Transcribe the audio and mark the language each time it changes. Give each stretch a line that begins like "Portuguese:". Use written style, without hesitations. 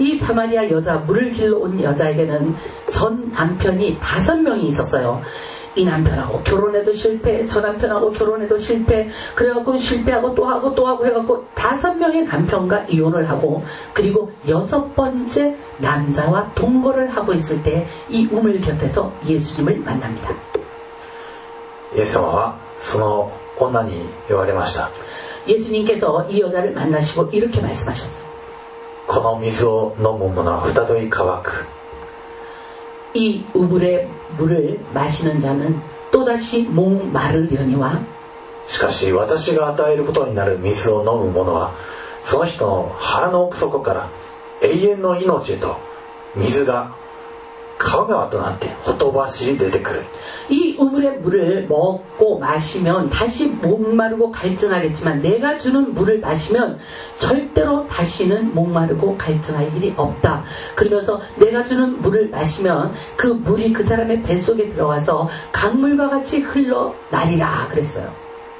Korean: 이사마리아여자물을길러온여자에게는전남편이5명이있었어요이남편하고결혼해도실패저남편하고결혼해도실패그래갖고실패하고또하고또하고해갖고5명의남편과이혼을하고그리고6번째남자와동거를하고있을때이우물곁에서예수님을만납니다 예수님은
Japanese: そのこんなに言われました。
Korean: イエス님께서이여자를만나시고이렇게말씀하셨습니다
Japanese: この水を飲む者は再び乾く
Korean: 이우물의물을마시는자는또다시몸마르려니와
Japanese: しかし私が与えることになる水を飲む者はその人の腹の奥底から永遠の命へと水が川川となってほとばしり出てくる。
Korean: 이우물의물을먹고마시면다시목마르고갈증하겠지만내가주는물을마시면절대로다시는목마르고갈증할일이없다그러면서내가주는물을마시면그물이그사람의뱃속에들어가서강물과같이흘러나리라그랬어요